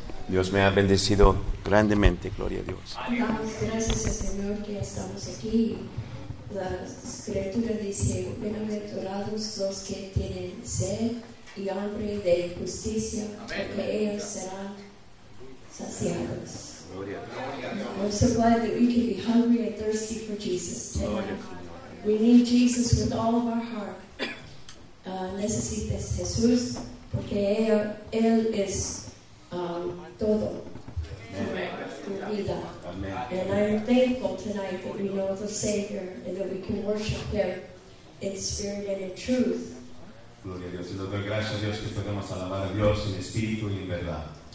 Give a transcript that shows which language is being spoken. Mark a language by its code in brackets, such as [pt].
[es] Dios me ha bendecido grandemente, gloria a Dios. Damos gracias al Señor que estamos aquí. La Escritura dice, bienaventurados los que tienen sed y hambre de justicia, porque ellos serán saciados. [en] We're so glad that we can be hungry and thirsty for Jesus tonight. We need Jesus with all of our heart. [es] Necesitas Jesús, porque Él es todo tu vida. [en] And I am thankful tonight that we know the Savior and that we can worship Him in spirit and in truth. [es] Gloria a Dios, y nos doy gracias a Dios que podemos alabar a Dios en espíritu y en verdad.